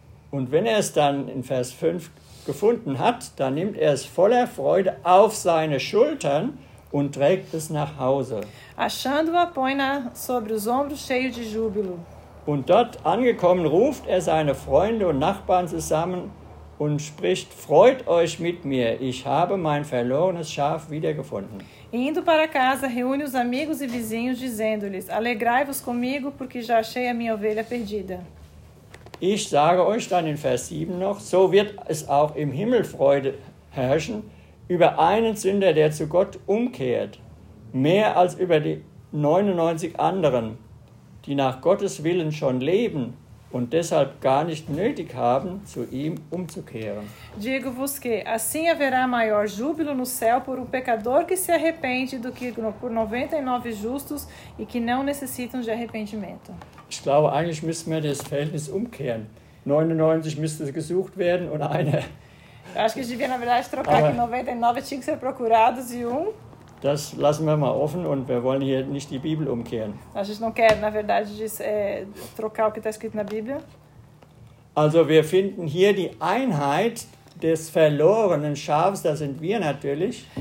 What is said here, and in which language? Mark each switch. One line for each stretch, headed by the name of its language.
German: Und wenn er es dann in Vers 5 gefunden hat, dann nimmt er es voller Freude auf seine Schultern und trägt es nach Hause.
Portuguese: Achando-a, põe-na sobre os ombros cheio de júbilo.
German: Und dort angekommen ruft er seine Freunde und Nachbarn zusammen und spricht, freut euch mit mir, ich habe mein verlorenes Schaf wiedergefunden.
Portuguese: Indo para casa, reúne os amigos e vizinhos, dizendo-lhes, alegrai-vos comigo, porque já achei a minha ovelha perdida.
German: Ich sage euch dann in Vers 7 noch, so wird es auch im Himmel Freude herrschen, über einen Sünder, der zu Gott umkehrt, mehr als über die 99 anderen, die nach Gottes Willen schon leben und deshalb gar nicht nötig haben, zu ihm umzukehren.
Portuguese: Digo-vos que assim haverá maior júbilo no céu por pecador que se arrepende do que por 99 justos e que não necessitam de arrependimento.
German: Ich glaube, eigentlich müssen wir das Verhältnis umkehren. 99 müsste gesucht werden und einer.
Portuguese: Eu acho que a gente devia, na verdade, trocar
German: aber
Portuguese: que 99 tinham que ser procurados e um.
German: Das lassen wir mal offen und wir wollen hier nicht die Bibel umkehren.
Portuguese: A gente não quer, na verdade, trocar o que está escrito na Bíblia.
German: Also, wir finden hier die Einheit des verlorenen Schafs, das sind wir natürlich.